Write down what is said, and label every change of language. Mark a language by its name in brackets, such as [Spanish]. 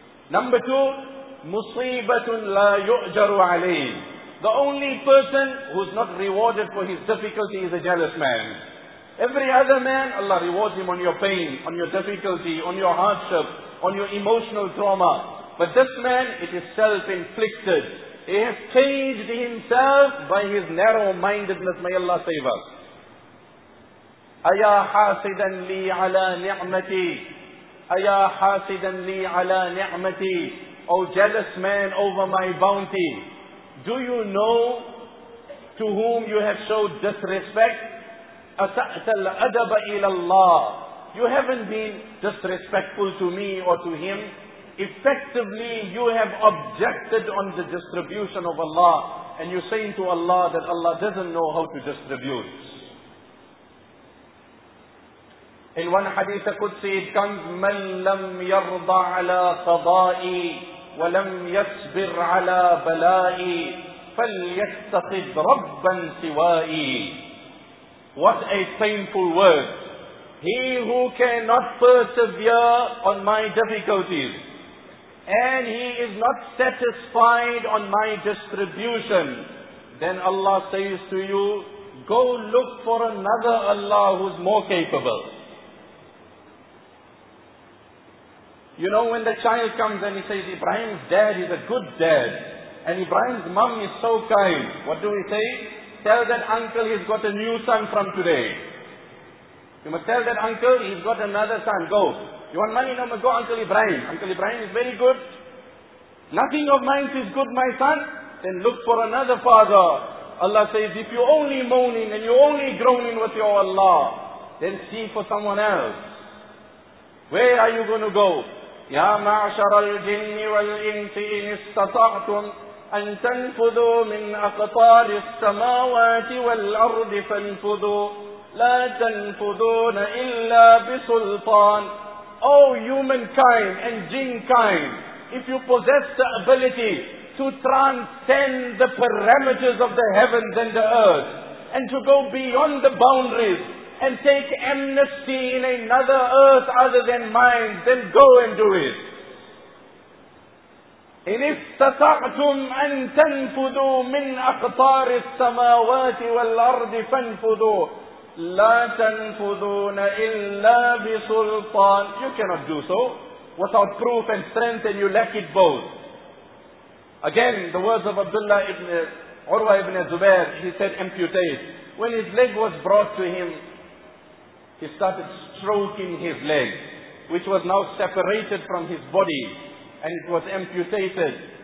[English] Number two, [Arabic] مُصِيبَةٌ لَا يُؤْجَرُ عَلَيْهِ. [English] The only person who is not rewarded for his difficulty is a jealous man. Every other man, Allah rewards him on your pain, on your difficulty, on your hardship, on your emotional trauma. But this man, it is self-inflicted. He has changed himself by his narrow-mindedness. May Allah save us. [Arabic] أَيَا حَاسِدًا لِي عَلَى نِعْمَتِي. أَيَا حَاسِدًا لِي عَلَى نِعْمَتِي. [English] O jealous man over my bounty, do you know to whom you have showed disrespect? [Arabic] أَسَأْتَ الْأَدَبَ إِلَى اللَّهِ. [English] You haven't been disrespectful to me or to him. Effectively, you have objected on the distribution of Allah. And you're saying to Allah that Allah doesn't know how to distribute. In one hadith Qudsi, it comes, [Arabic] مَنْ لَمْ يَرْضَ عَلَى قَضَائِي وَلَمْ يَصْبِرْ عَلَى بَلَائِي فَلْيَتَّخِذْ رَبًّا سِوَائِي. [English] What a painful word. He who cannot persevere on my difficulties, and he is not satisfied on my distribution, then Allah says to you, go look for another Allah who is more capable. You know, when the child comes and he says, Ibrahim's dad is a good dad, and Ibrahim's mom is so kind, what do we say? Tell that uncle he's got a new son from today. You must tell that uncle he's got another son. Go. You want money? No, go Uncle Ibrahim. Uncle Ibrahim is very good. Nothing of mine is good, my son. Then look for another father. Allah says, if you're only moaning and you're only groaning with your Allah, then see for someone else. Where are you going to go? [Arabic] Ya ma'ashar al-jinni wal-insi in istata'tum أن تنفذوا من أقطار السماوات والأرض فانفذوا لا تنفذون إلا بسلطان. [English] Oh humankind and jinnkind, if you possess the ability to transcend the parameters of the heavens and the earth, and to go beyond the boundaries, and take amnesty in another earth other than mine, then go and do it. [Arabic] إن استطعتم أن تنفذوا من أقطار السماوات والأرض فانفذوا لا تنفذون إلا بسلطان. [English] You cannot do so without proof and strength, and you lack it both. Again, the words of Abdullah ibn Urwa ibn Zubair, he said, amputate. When his leg was brought to him, he started stroking his leg, which was now separated from his body, and it was amputated.